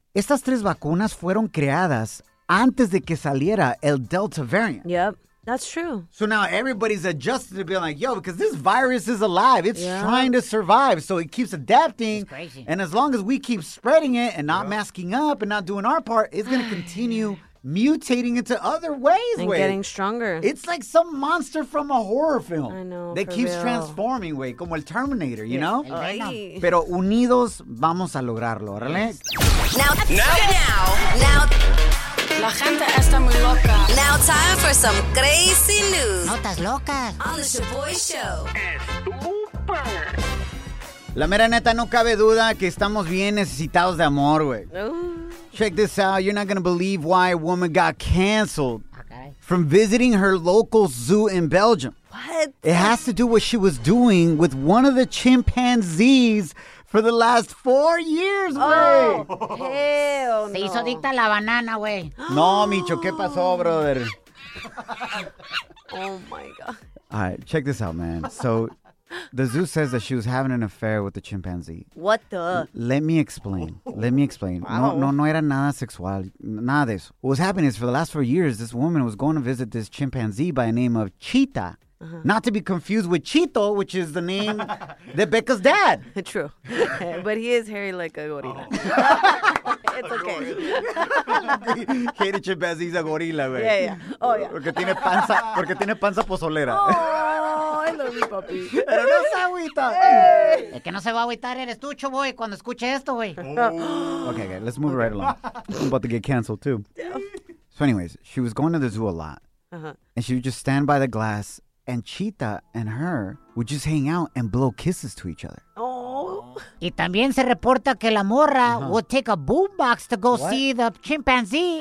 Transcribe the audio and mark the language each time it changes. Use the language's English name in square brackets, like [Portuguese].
[Spanish] Estas tres vacunas fueron creadas antes de que saliera el Delta variant. [English] Yep. That's true. So now everybody's adjusted to be like, yo, because this virus is alive. It's, yeah, trying to survive. So it keeps adapting. It's crazy. And as long as we keep spreading it and not, yeah, masking up and not doing our part, it's going to continue mutating into other ways. And getting stronger. It's like some monster from a horror film. I know. That keeps real transforming, way, [Spanish] como el Terminator, [English] you, yeah, know? Right. [Spanish] Pero unidos vamos a lograrlo, ¿vale? Yes. [English] Now. [Spanish] La gente está muy loca. [English] Now time for some crazy news. [Spanish] Notas locas. [English] On the Shaboy Show. Estúper. [Spanish] La mera neta, no cabe duda que estamos bien necesitados de amor, güey. [English] Check this out. You're not going to believe why a woman got canceled, okay, from visiting her local zoo in Belgium. What? It has to do with what she was doing with one of the chimpanzees for the last 4 years, güey. Oh, hell no. [Spanish] Se hizo dicta la banana, güey. No, Micho, ¿qué pasó, brother? [English] Oh, my God. All right, check this out, man. So, the zoo says that she was having an affair with the chimpanzee. What the? Let me explain. Wow. [Spanish] No era nada sexual. Nada de eso. [English] What was happening is for the last 4 years, this woman was going to visit this chimpanzee by the name of Cheetah. Uh-huh. Not to be confused with Chito, which is the name that Becca's dad. True. But he is hairy like a gorilla. Oh. It's okay. Hairy chimpanzee is a gorilla, güey. Yeah, yeah. Oh, yeah. [Spanish] Porque tiene panza pozolera. [English] Oh, I love you, papi. [Spanish] Pero no se agüita. El que no se va a agüitar eres tú, Choboy, cuando escuche esto, güey. [English] Oh. Okay, let's move right along. I'm about to get canceled, too. Yeah. So anyways, she was going to the zoo a lot. Uh-huh. And she would just stand by the glass. And Cheetah and her would just hang out and blow kisses to each other. Oh. [Spanish] Y también se reporta que la morra, [English] uh-huh, would take a boombox to go, what, see the chimpanzee,